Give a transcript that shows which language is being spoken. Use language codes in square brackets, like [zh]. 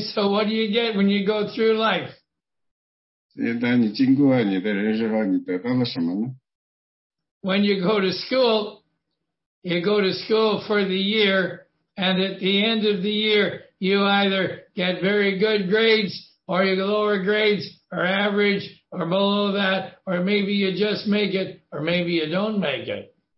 [en] so what do you get when you go through life? [zh] 所以当你经过你的人生后，你得到了什么呢？ [en] When you go to school, you go to school for the year, and at the end of the year, you either get very good grades, or you get lower grades, or average, or below that, or maybe you just make it, or maybe you don't make it.